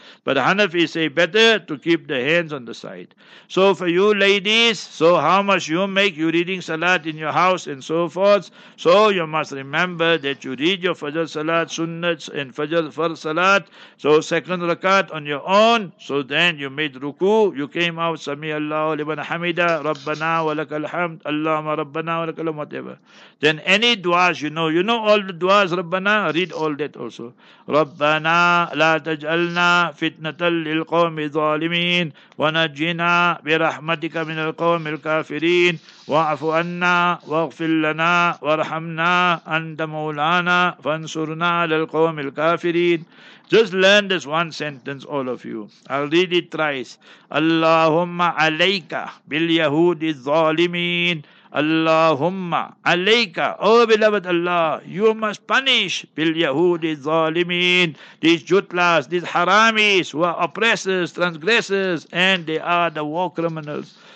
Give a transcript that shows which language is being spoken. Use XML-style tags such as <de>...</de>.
<en>But Hanafi say better to keep the hands on the side. So for you ladies, so how much you make you reading salat in your house and so forth, so you must remember that you read your Fajr salat, sunnahs, and Fajr far salat. So second rakat on your own. So then you made ruku, you came out.</en> <ar>سمي الله لمن حمدا ربنا ولك الحمد اللهم ربنا ولك الحمد</ar> <en>whatever. Then any du'as, you know all the du'as, ربنا, read all that also.</en> <ar>ربنا لا تجعلنا فتنة للقوم الظالمين ونجينا برحمتك من القوم الكافرين واعف عنا واغفر لنا وارحمنا أنت مولانا فانصرنا للقوم الكافرين.</ar> <en>Just learn this one sentence, all of you. I'll read it thrice.</en> <ar>Allahumma alayka bil yahudi zalimin. Allahumma alayka.</ar> <en>Oh, beloved Allah, you must punish</en> <ar>bil yahudi zalimin.</ar> <en>These jutlas, these haramis who are oppressors, transgressors, and they are the war criminals.</en>